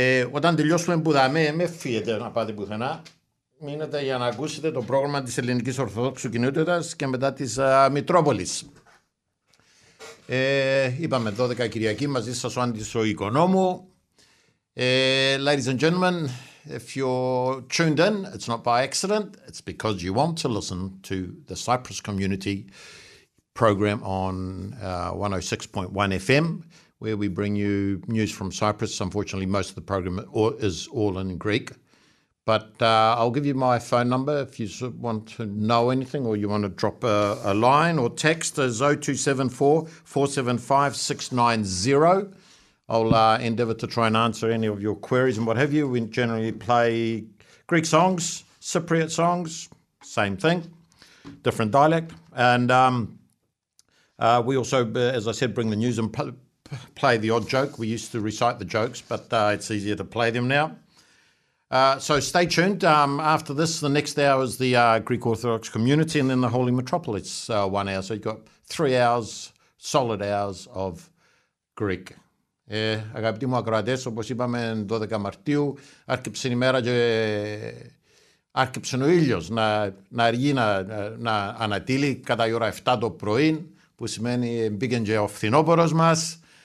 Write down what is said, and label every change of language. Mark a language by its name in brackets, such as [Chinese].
[Greek] Όταν τελειώσουμε που δαμέ, με φύγετε να πάτε πουθενά. Μείνετε για να ακούσετε το πρόγραμμα της Ελληνικής Ορθόδοξου Κοινότητας και μετά της Μητρόπολης. Είπαμε 12 Κυριακή, μαζί σας ο Άντης ο Οικονόμου. [English] Ladies and gentlemen, if you're tuned in, it's not by accident, it's because you want to listen to the Cyprus community program on 106.1 FM, where we bring you news from Cyprus. Unfortunately, most of the program is all in Greek. But I'll give you my phone number if you want to know anything or you want to drop a line or text. It's 0274-475-690. I'll endeavor to try and answer any of your queries and what have you. We generally play Greek songs, Cypriot songs, same thing, different dialect. And we also, as I said, bring the news and play the odd joke. We used to recite the jokes, but it's easier to play them now. So stay tuned. After this, the next hour is the Greek Orthodox community and then the Holy Metropolis 1 hour. So you've got 3 hours, solid hours of Greek. [Greek] Αγαπητοί μου ακροατές, όπως είπαμε, 12 Μαρτίου, άρχιψε η μέρα και άρχιψε ο ήλιος να αργεί να ανατείλει κατά η ώρα 7 το πρωί, που σημαίνει μπήκαν και ο φθινόπωρος μας.